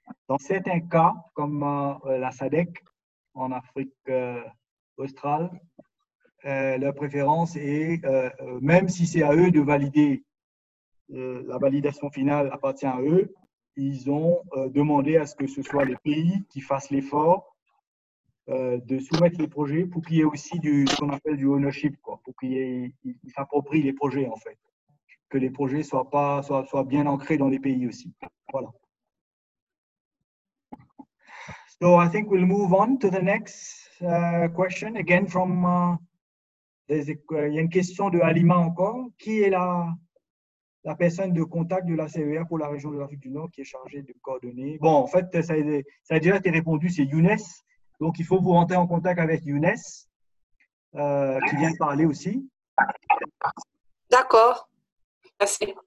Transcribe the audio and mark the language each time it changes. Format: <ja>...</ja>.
<fr>Dans certains cas, comme la SADC en Afrique australe, leur préférence est, même si c'est à eux de valider, la validation finale appartient à eux, ils ont demandé à ce que ce soit les pays qui fassent l'effort de soumettre les projets pour qu'il y ait aussi ce qu'on appelle du ownership, quoi, pour qu'ils s'approprient les projets en fait, que les projets soient bien ancrés dans les pays aussi. Voilà.</fr> <en>So I think we'll move on to the next question again from</en> <fr>il y a une question de Halima encore. Qui est la personne de contact de la CER pour la région de l'Afrique du Nord qui est chargée de coordonner? Bon, en fait, ça a déjà été répondu, c'est Younes. Donc, il faut vous rentrer en contact avec Younes, qui vient de parler aussi. D'accord. Merci.</fr>